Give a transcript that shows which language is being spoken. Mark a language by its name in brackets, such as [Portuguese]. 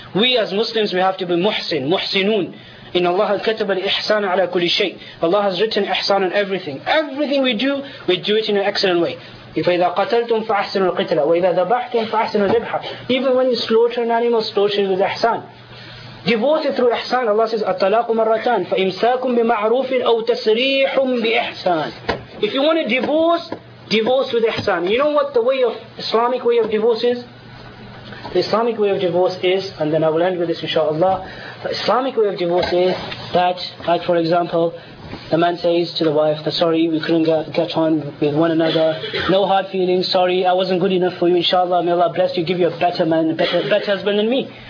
[English] We as Muslims, we have to be muhsin, muhsinun. In Allah has kataba al-ihsan ala kulli shay. Allah has written ihsan on everything. Everything we do it in an excellent way. [Arabic] If إِذَا قَتَلْتُمْ فَأَحْسِنُوا الْقِتْلَ وَإِذَا ذَبَحْتُمْ فَأَحْسِنُوا الذِّبْحَ. [English] Even when you slaughter an animal, slaughter it with ihsan. Divorce through ihsan, Allah says, [Arabic] أَطَلَاقُ مَرَّتَانِ فَإِمْسَاكُمْ بِمَعْرُوفٍ أَوْ تَسْرِيحٌ بِإِحْسَانٍ. [English] If you want to divorce, divorce with ihsan. You know what the way of Islamic way of divorce is? The Islamic way of divorce is, and then I will end with this inshaAllah, the Islamic way of divorce is that, like for example, the man says to the wife, sorry, we couldn't get on with one another, no hard feelings, sorry, I wasn't good enough for you, inshallah, may Allah bless you, give you a better man, better husband than me.